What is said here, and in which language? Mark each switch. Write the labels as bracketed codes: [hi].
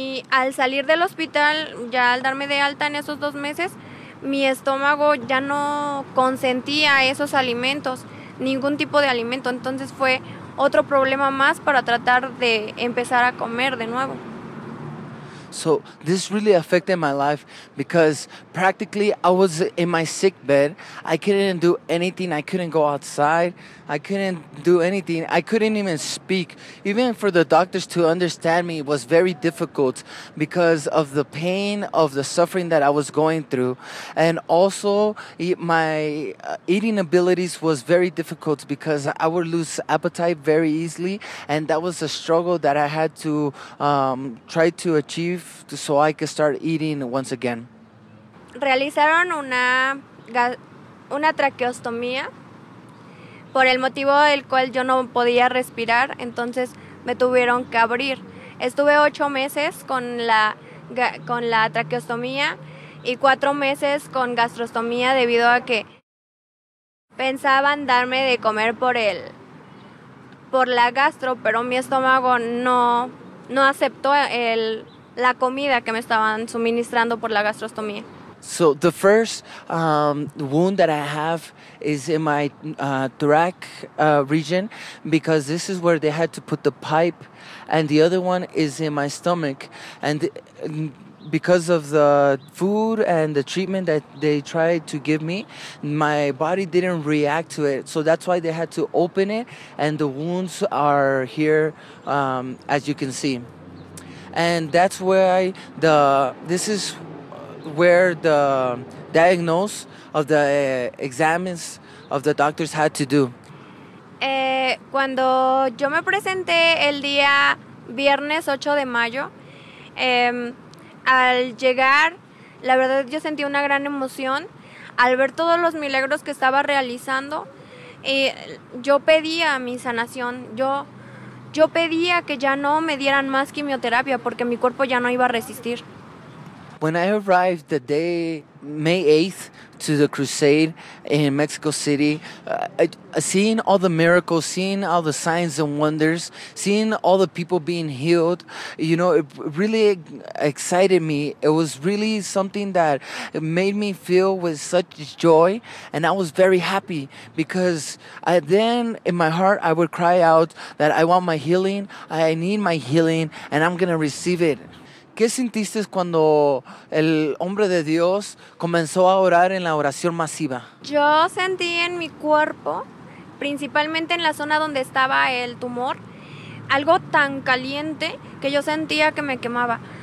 [es] Al salir del hospital, ya al darme de alta en esos 2 meses, mi estómago ya no consentía esos alimentos, ningún tipo de alimento. Entonces fue otro problema más para tratar de empezar a comer de nuevo. [en] So this really affected my life because practically I was in my sick bed. I couldn't do anything. I couldn't go outside. I couldn't do anything. I couldn't even speak. Even for the doctors to understand me was very difficult because of the pain of the suffering that I was going through. And also my eating abilities was very difficult because I would lose appetite very easily. And that was a struggle that I had to try to achieve so I could start eating once again. [es] Realizaron una traqueostomía por el motivo del cual yo no podía respirar, entonces me tuvieron que abrir. Estuve 8 meses con la traqueostomía y 4 meses con gastrostomía debido a que pensaban darme de comer por la gastro, pero mi estómago no aceptó el la comida que me estaban suministrando por la gastrostomía. [en] So the first wound that I have is in my thorax region because this is where they had to put the pipe, and the other one is in my stomach. And because of the food and the treatment that they tried to give me, my body didn't react to it. So that's why they had to open it, and the wounds are here, as you can see. And that's why the this is where the diagnosis of the exams of the doctors had to do. [es] Cuando yo me presenté el día viernes 8 de mayo, al llegar, la verdad yo sentí una gran emoción al ver todos los milagros que estaba realizando. Yo pedía mi sanación, yo pedía que ya no me dieran más quimioterapia porque mi cuerpo ya no iba a resistir. [en] When I arrived the day May 8th to the crusade in Mexico City, seeing all the miracles, seeing all the signs and wonders, seeing all the people being healed, you know, it really excited me. It was really something that made me feel with such joy, and I was very happy because I then in my heart I would cry out that I want my healing, I need my healing, and I'm gonna receive it. [es] ¿Qué sentiste cuando el hombre de Dios comenzó a orar en la oración masiva? Yo sentí en mi cuerpo, principalmente en la zona donde estaba el tumor, algo tan caliente que yo sentía que me quemaba.